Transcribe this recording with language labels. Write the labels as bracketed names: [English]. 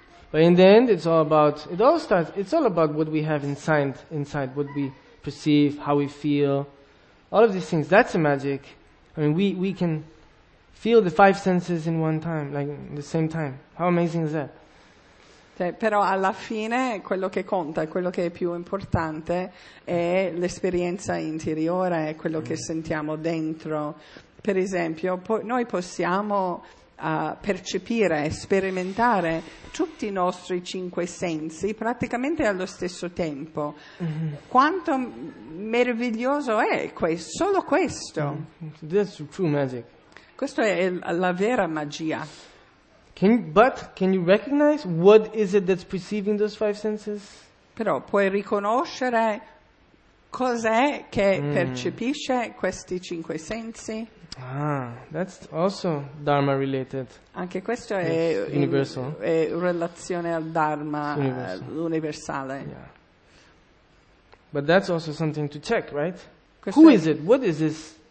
[English] But in the end, it's all about, it all starts, it's all about what we have inside, what we perceive, how we feel, all of these things. That's a magic. I mean, we can feel the five senses in one time, like at the same time. How amazing is that? [Italian] Però alla fine quello che conta, quello che è più importante è l'esperienza interiore, è quello che sentiamo dentro. Per esempio, noi possiamo percepire, sperimentare tutti i nostri cinque sensi praticamente allo stesso tempo. Quanto meraviglioso è questo, solo questo. [English] That's true magic. [Italian] Questo è la vera magia. [English] Can you recognize what is it that's perceiving those five senses? [Italian] Però puoi riconoscere cos'è che percepisce questi cinque sensi? [English] Ah, that's also dharma related. [Italian] Anche questo è [English] universal. [Italian] È relazione al dharma universale. [English] Yeah. But that's also something to check, right? Who is it? What is this?